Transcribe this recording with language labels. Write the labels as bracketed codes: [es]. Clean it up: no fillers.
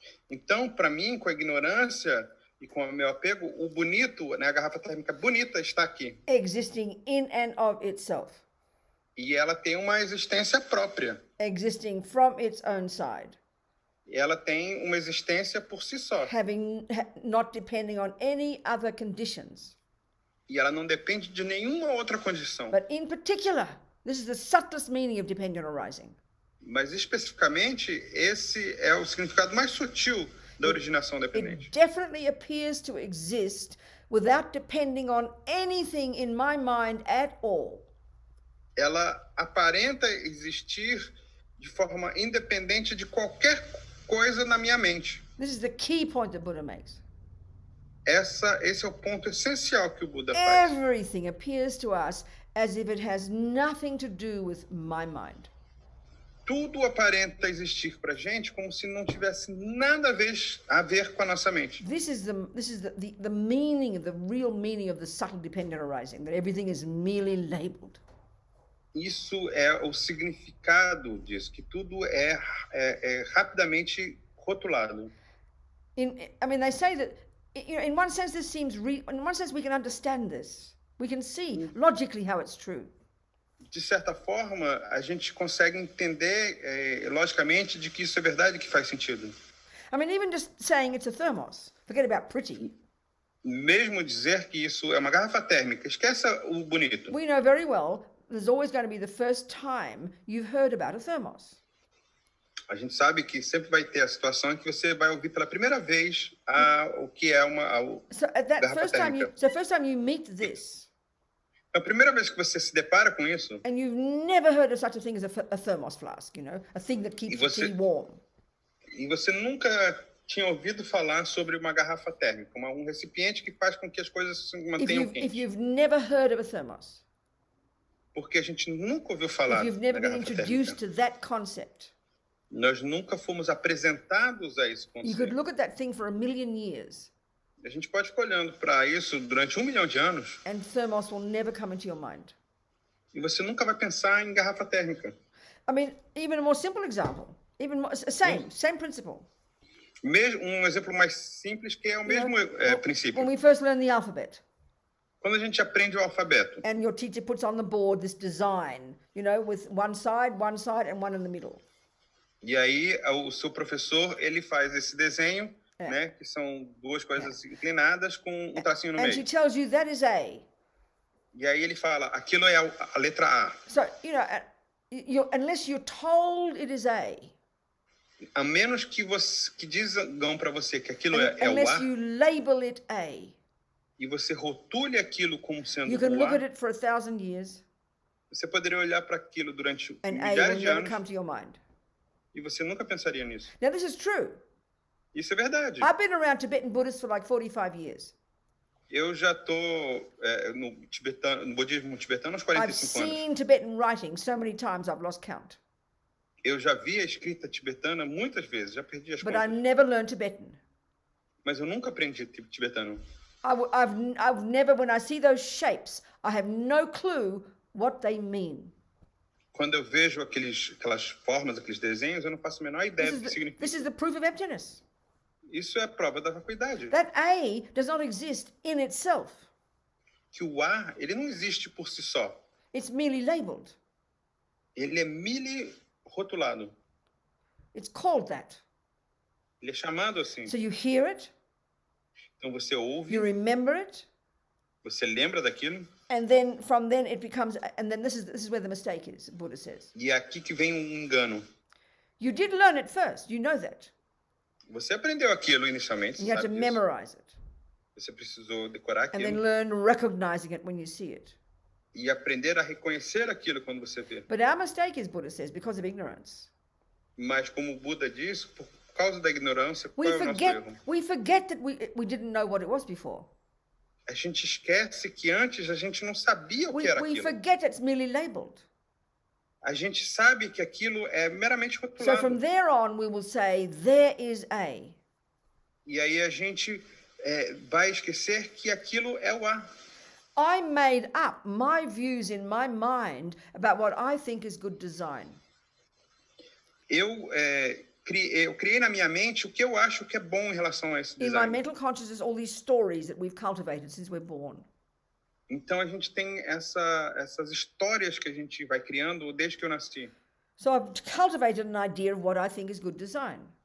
[pt] Então, para mim, com a ignorância e com o meu apego, o bonito, né, a garrafa térmica bonita está aqui. [en] Existing in and of itself. [pt] E ela tem uma existência própria. [en] Existing from its own side. [pt] E ela tem uma existência por si só. [en] Not depending on any other conditions. [pt] E ela não depende de nenhuma outra condição. [en] But in particular, this is the subtlest meaning of dependent arising. [pt] Mas especificamente, esse é o significado mais sutil da originação dependente. [en] It definitely appears to exist without depending on anything in my mind at all. [pt] Ela aparenta existir de forma independente de qualquer coisa na minha mente. [en] This is the key point that Buddha makes. [pt] Esse é o ponto essencial que o Buddha faz. [en] Everything appears to us as if it has nothing to do with my mind. [pt] Tudo aparenta existir para a gente como se não tivesse nada a ver com a nossa mente. [en] This is the meaning, the real meaning of the subtle dependent arising, that everything is merely labeled. [pt] Isso é o significado disso, que tudo é, é rapidamente rotulado. [en] I mean, they say that, you know, in one sense this seems in one sense we can understand this. We can see logically how it's true. [pt] De certa forma, a gente consegue entender logicamente de que isso é verdade, que faz sentido. [en] I mean, even just saying it's a thermos, forget about pretty. [pt] Mesmo dizer que isso é uma garrafa térmica, esqueça o bonito. [en] We know very well there's always going to be the first time you've heard about a thermos. [pt] A gente sabe que sempre vai ter a situação em que você vai ouvir pela primeira vez o que é uma [en] So first time you meet this. [pt] É a primeira vez que você se depara com isso. [en] And you've never heard of such a thing as a thermos flask, you know, a thing that keeps the tea warm. [pt] E você nunca tinha ouvido falar sobre uma garrafa térmica, um recipiente que faz com que as coisas se mantenham quentes. [en] If you've never heard of a thermos. [pt] Porque a gente nunca ouviu falar. [en] If you've never been introduced to that concept. [pt] Nós nunca fomos apresentados a esse conceito. [en] You could look at that thing for a million years. [pt] A gente pode ficar olhando para isso durante 1 milhão de anos. [en] And thermos will never come into your mind. [pt] E você nunca vai pensar em garrafa térmica. [en] I mean, even a more simple example. Even more, same principle. [pt] Um exemplo mais simples que é o mesmo princípio. [en] When we first learn the alphabet. [pt] Quando a gente aprende o alfabeto. [en] And your teacher puts on the board this design, you know, with one side and one in the middle. [pt] E aí o seu professor, ele faz esse desenho, né, que são duas coisas inclinadas com um tracinho no meio. [en] And she tells you that is A. [pt] E aí ele fala, aquilo é a letra A. [en] So, you know, unless you're told it is A. [pt] A menos que digam para você que aquilo é o A. [en] Unless you label it A. [pt] E você rotule aquilo como sendo o A. [en] You can look at it for 1,000 years. [pt] Você poderia olhar para aquilo durante milhares de anos. [en] And A will never come to your mind. [pt] E você nunca pensaria nisso. [en] Now, this is true. [pt] Isso é verdade. [en] I've been around Tibetan Buddhists for like 45 years. [pt] Eu já tô no budismo tibetano há 45 [en] I've [pt] anos. [en] I've seen Tibetan writing so many times I've lost count. [pt] Eu já vi a escrita tibetana muitas vezes, já perdi as contas. [en] But I never learned Tibetan. [pt] Mas eu nunca aprendi tibetano. [en] I've never, when I see those shapes, I have no clue what they mean. [pt] Quando eu vejo aquelas formas, aqueles desenhos, eu não faço a menor ideia do que significa. [en] This is the proof of emptiness. [pt] Isso é a prova da vacuidade. [en] That A does not exist in itself. [pt] Que o A, ele não existe por si só. [en] It's merely labeled. [pt] Ele é [en] merely [pt] rotulado. [en] It's called that. [pt] Ele é chamado assim. [en] So you hear it. [pt] Então você ouve. [en] You remember it. [pt] Você lembra daquilo. [en] And then from then it becomes, and then this is where the mistake is, Buddha says. [pt] E aqui que vem um engano. [en] You did learn it first, you know that. [pt] Você aprendeu aquilo inicialmente, [en] you have to [pt] isso. [en] Memorize it. [pt] Você precisou decorar aquilo. [en] And then learn recognizing it when you see it. [pt] E aprender a reconhecer aquilo quando você vê. [en] But our mistake is, Buddha says, because of ignorance. [pt] Mas como o Buda diz, por causa da ignorância, [en] we [pt] qual [en] forget, [pt] é o nosso erro? [en] We forget that we didn't know what it was before. [pt] A gente esquece que antes a gente não sabia o que era aquilo. [en] We forget it's merely labeled. [pt] A gente sabe que aquilo é meramente rotulado. [en] So from there on we will say there is A. [pt] E aí a gente vai esquecer que aquilo é o A. [en] I made up my views in my mind about what I think is good design. [pt] Eu criei na minha mente o que eu acho que é bom em relação a esse design. [en] In my mental consciousness, all these stories that we've cultivated since we're born. [pt] Então a gente tem essas histórias que a gente vai criando desde que eu nasci. [en] So I've cultivated an idea of what I think is good design.